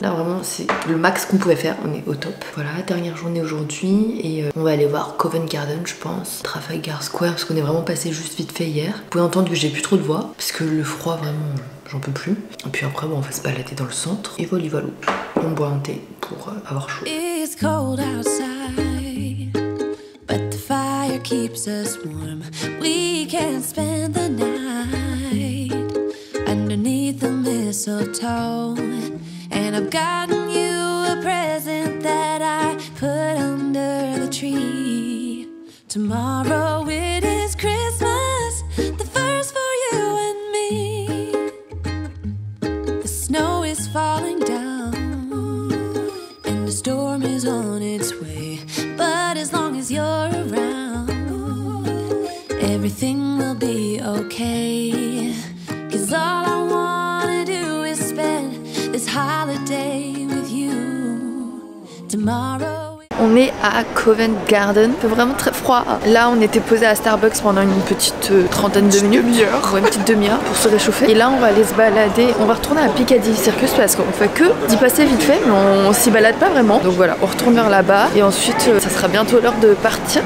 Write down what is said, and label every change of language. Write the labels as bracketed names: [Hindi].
[French] Là, vraiment, c'est le max qu'on pouvait faire. On est au top. Voilà, dernière journée aujourd'hui. Et on va aller voir Covent Garden, je pense. Trafalgar Square, parce qu'on est vraiment passé juste vite fait hier. Vous pouvez entendre que j'ai plus trop de voix. Parce que le froid, vraiment, j'en peux plus. Et puis après, bon, on va se balader dans le centre. Et voilà, voilà. On boit un thé pour avoir chaud. [English] It's cold outside, but the fire keeps us warm. We can spend the night underneath the mistletoe. And I've gotten you a present that I put under the tree. Tomorrow it is Christmas, the first for you and me. The snow is falling down and the storm is on its way. But as long as you're around, everything will be okay. 'Cause all I wanna do is spend this holiday with you. Tomorrow. [French] On est à Covent Garden, il fait vraiment très froid. Là, on était posé à Starbucks pendant une petite trentaine de minutes. Une petite demi-heure pour se réchauffer. Et là, on va aller se balader. On va retourner à Piccadilly Circus parce qu'on fait que d'y passer vite fait, mais on s'y balade pas vraiment. Donc voilà, on retourne vers là-bas. Et ensuite, ça sera bientôt l'heure de partir.